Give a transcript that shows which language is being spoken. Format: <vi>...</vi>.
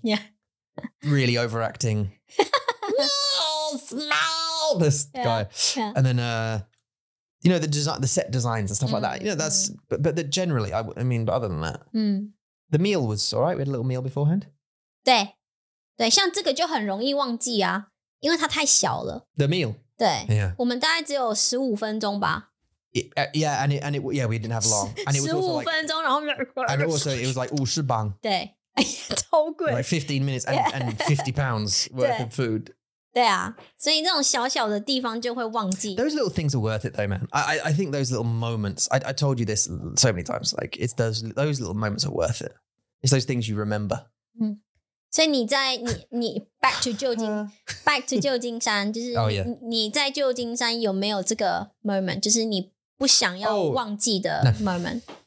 <en>Yeah. Really overacting. Smell this guy. Yeah. And then, you know, the set designs and stuff like that. You know, that's, but generally, but other than that, the meal was all right. We had a little meal beforehand.</en> <zh>对,像这个就很容易忘记啊,因为它太小了。The</zh> <en>meal?</en> <zh>对,我们大概只有15分钟吧。</zh> <en>Yeah, and it yeah, we didn't have long. And it was also like,</en> <zh>15分钟,</zh> <en>and also it was like 50磅.</en> <zh>对,超贵。</zh> <en>Like 15 minutes and, yeah. and £50 worth of food.</en> <zh>对啊,所以那种小小的地方就会忘记。</zh> <en>Those little things are worth it though, man. I think those little moments, I told you this so many times, like it's those little moments are worth it. It's those things you remember.</en> <zh>所以你在你</zh> <en>back to</en> <zh>旧金山 就是你在旧金山有没有这个 moment 就是你不想要忘记的 moment</zh>